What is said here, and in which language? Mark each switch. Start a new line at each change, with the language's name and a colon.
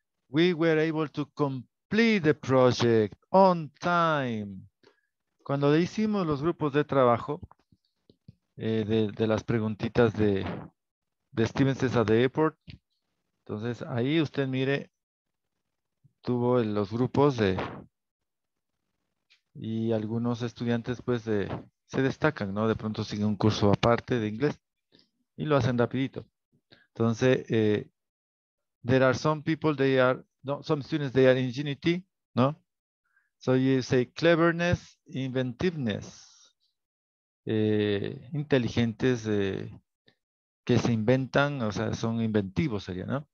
English: We were able to complete the project on time.
Spanish: Cuando le hicimos los grupos de trabajo, de las preguntitas de Steven César de Airport, entonces ahí usted mire, tuvo los grupos de... Y algunos estudiantes, pues, se destacan, ¿no? De pronto siguen un curso aparte de inglés y lo hacen rapidito.
English: Entonces, there are some people, they are, no, some students, they are ingenuity, ¿no? So you say cleverness, inventiveness.
Spanish: Inteligentes que se inventan, o sea, son inventivos sería, ¿no?